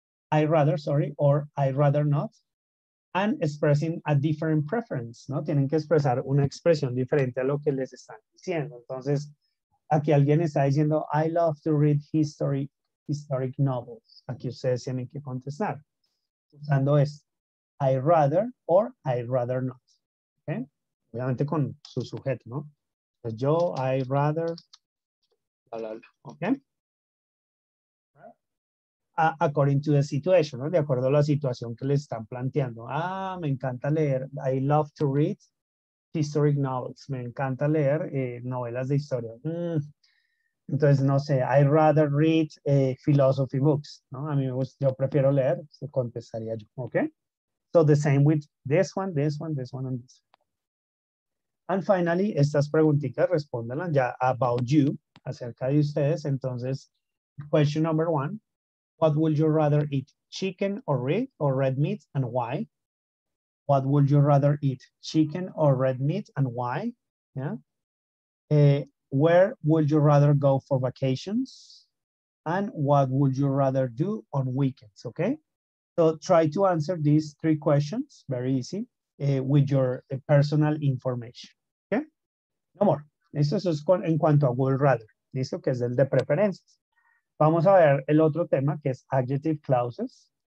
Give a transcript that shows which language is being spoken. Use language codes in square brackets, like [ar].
[en] I'd rather, sorry, or I'd rather not, and expressing a different preference, ¿no? [es] Tienen que expresar una expresión diferente a lo que les están diciendo. Entonces, aquí alguien está diciendo, [en] I love to read historic novels. [es] Aquí ustedes tienen que contestar. Usando esto, [en] I'd rather or I'd rather not. [es] ¿Okay? Obviamente con su sujeto, ¿no? Pues yo, [en] I'd rather, [es] la, la, la. ¿Okay? [en] According to the situation, [es] ¿no? De acuerdo a la situación que les están planteando. [en] Ah, [es] me encanta leer. [en] I love to read historic novels. [es] Me encanta leer novelas de historia. Entonces, no sé, [en] I'd rather read philosophy books, [es] ¿no? A mí me gusta, yo prefiero leer, se contestaría yo, ¿ok? [en] So the same with this one, this one, this one, and this one. And finally, [es] estas preguntitas, respóndanlas ya [en] about you, [es] acerca de ustedes. [en] Entonces, question number one. What would you rather eat, chicken or red meat, and why? What would you rather eat, chicken or red meat, and why? Yeah. Where would you rather go for vacations? And what would you rather do on weekends, okay? So try to answer these three questions, very easy, with your personal information, okay? No more. [es] Esto es en cuanto a would rather, ¿listo? Que es el de preferencias. Vamos a ver el otro tema que es adjective clauses.